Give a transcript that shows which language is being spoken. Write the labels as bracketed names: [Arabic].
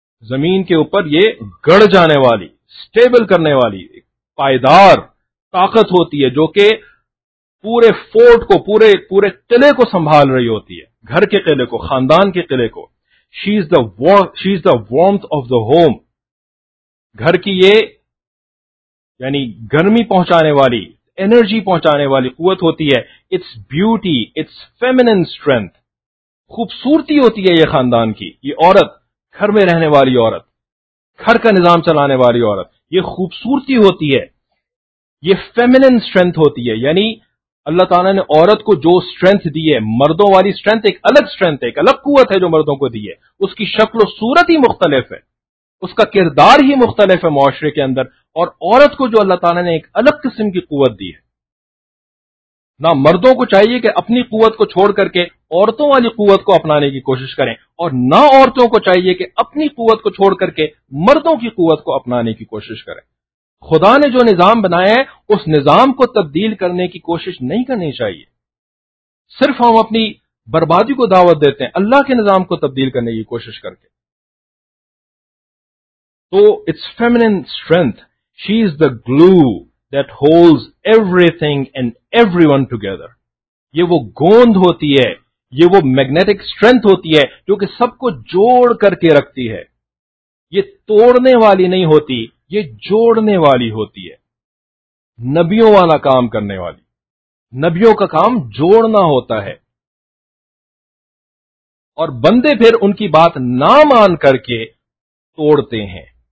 [Urdu] زمین کے اوپر یہ گڑ جانے والی، اسٹیبل کرنے والی پائیدار طاقت ہوتی ہے جو کہ پورے فورٹ کو، پورے قلعے کو سنبھال رہی ہوتی ہے، گھر کے قلعے کو، خاندان کے قلعے کو. [English] she is the warmth of the home, [Urdu] گھر کی یہ یعنی گرمی پہنچانے والی، انرجی پہنچانے والی قوت ہوتی ہے. [English] it's beauty, it's feminine strength, [Urdu] خوبصورتی ہوتی ہے یہ خاندان کی، یہ عورت، گھر میں رہنے والی عورت، گھر کا نظام چلانے والی عورت، یہ خوبصورتی ہوتی ہے، یہ فیمینن اسٹرینتھ ہوتی ہے. یعنی اللہ تعالیٰ نے عورت کو جو اسٹرینتھ دی ہے، مردوں والی اسٹرینتھ ایک الگ اسٹرینتھ ہے، ایک الگ قوت ہے جو مردوں کو دی ہے، اس کی شکل و صورت ہی مختلف ہے، اس کا کردار ہی مختلف ہے معاشرے کے اندر. اور عورت کو جو اللہ تعالیٰ نے ایک الگ قسم کی قوت دی ہے، نہ مردوں کو چاہیے کہ اپنی قوت کو چھوڑ کر کے عورتوں والی قوت کو اپنانے کی کوشش کریں، اور نہ عورتوں کو چاہیے کہ اپنی قوت کو چھوڑ کر کے مردوں کی قوت کو اپنانے کی کوشش کریں. خدا نے جو نظام بنایا ہے اس نظام کو تبدیل کرنے کی کوشش نہیں کرنی چاہیے، صرف ہم اپنی بربادی کو دعوت دیتے ہیں اللہ کے نظام کو تبدیل کرنے کی کوشش کر کے. [English] تو it's feminine strength, she is the glue that holds everything and everyone together. [Urdu] یہ وہ گوند ہوتی ہے، یہ وہ میگنیٹک اسٹرینتھ ہوتی ہے جو کہ سب کو جوڑ کر کے رکھتی ہے. یہ توڑنے والی نہیں ہوتی، یہ جوڑنے والی ہوتی ہے، نبیوں والا کام کرنے والی. نبیوں کا کام جوڑنا ہوتا ہے، اور بندے پھر ان کی بات نہ مان کر کے توڑتے ہیں.